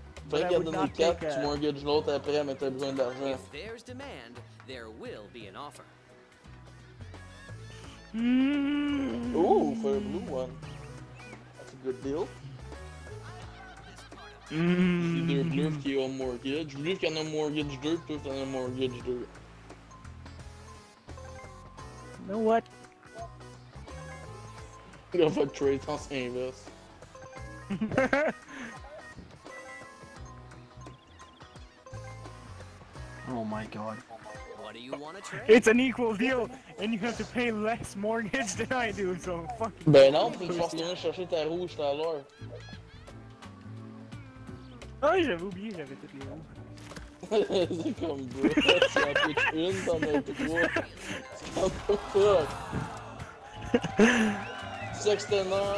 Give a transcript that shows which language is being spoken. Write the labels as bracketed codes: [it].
[fr] Fait qu'il y a donné 4, tu mortgages l'autre après, mais t'as besoin d'argent. [en] If there's demand, there will be an offer. Mm-hmm. Ooh, for a blue one. That's a good deal. Mm-hmm. Either blue key or mortgage. Blue can a mortgage dirt, blue can a mortgage dirt. You know what? I'm gonna put trades on St. Louis. Oh my god. What do you want to trade? It's an equal deal, and you have to pay less mortgage than I do, so fuck you. [fr] Ben non, tu vas retourner chercher ta rouge tout à l'heure. Ah, j'avais oublié, j'avais toutes les rouges. C'est comme bro, tu as pris une dans notre bois. [en] What the fuck? 69!